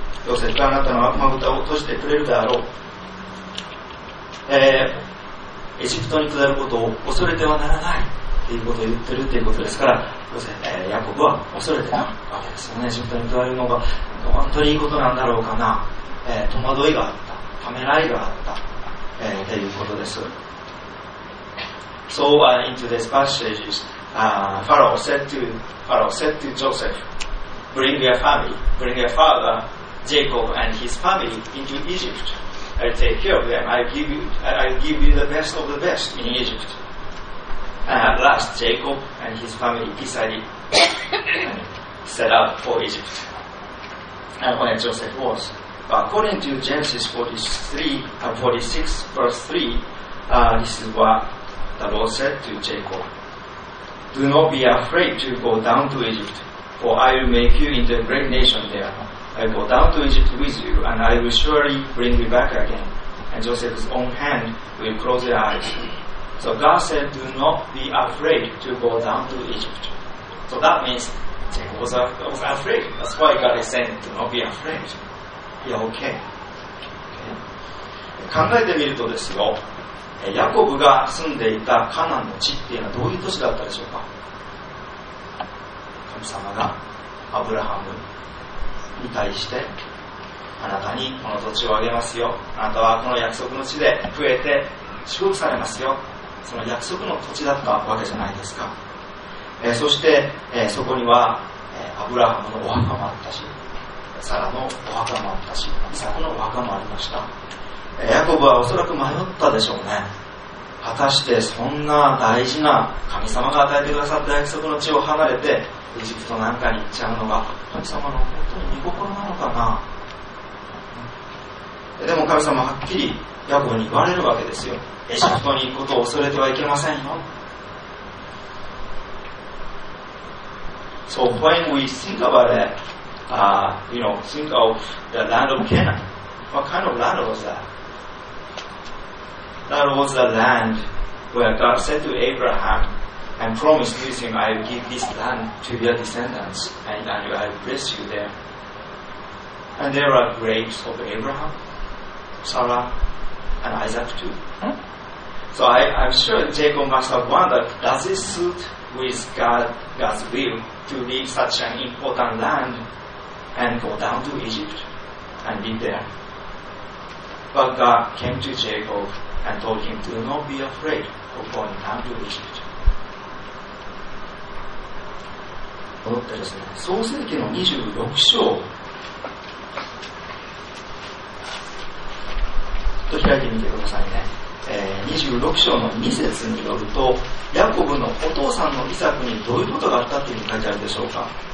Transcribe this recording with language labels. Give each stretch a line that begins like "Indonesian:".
Japanese: ヨセフがあなたの悪魔蓋を閉じてくれるであろう。エジプトに下ることを恐れてはならないということを言ってるということですから、ヨセフ、ヤコブは恐れてないわけですよね。エジプトに下るのが本当にいいことなんだろうかな、戸惑いがあった、ためらいがあったと、いうことです。
English: So, into this passage, Pharaoh said to Joseph, bring your father, Jacob, and his family into Egypt. I'll take care of them. I'll give you the best of the best in Egypt. And at last, Jacob and his family decided to set out for Egypt. And when Joseph was, according to Genesis 46, verse 3, this is what the Lord said to Jacob. Do not be afraid to go down to Egypt, for I will make you into a great nation there. I will go down to Egypt with you, and I will surely bring you back again. And Joseph's own hand will close your eyes. So God said, do not be afraid to go down to Egypt. So that means Jacob was afraid. That's why God is saying, do not be afraid. You're okay. Okay.
Japanese: 考えてみるとですよ、ヤコブが住んでいたカナンの地っていうのはどういう都市だったでしょうか。神様がアブラハムに対してあなたにこの土地をあげますよ、あなたはこの約束の地で増えて祝福されますよ、その約束の土地だったわけじゃないですか。そしてそこにはアブラハムのお墓もあったし、サラのお墓もあったし、イサクのお墓もありました。ヤコブはおそらく迷ったでしょうね。果たしてそんな大事な神様が与えてくださった約束の地を離れてエジプトなんかに行っちゃうのが神様の本当に御心なのかな。でも神様はっきりヤコブに言われるわけですよ。エジプトに行くことを恐れてはいけませんよ。
English: So when we think about it, think of the land of Canaan, what kind of land was that? That was the land where God said to Abraham and promised with him, I will give this land to your descendants and I will bless you there. And there are graves of Abraham, Sarah, and Isaac too. So I'm sure Jacob must have wondered, does it suit with God's will to leave such an important land and go down to Egypt and live there? But God came to Jacob. And told him, do not be afraid of going down to Egypt.
Japanese: 戻ってですね、創世記の26章と開いてみてくださいね。26章の2節によると、ヤコブのお父さんのイサクにどういうことがあったというふうに書いてあるでしょうか。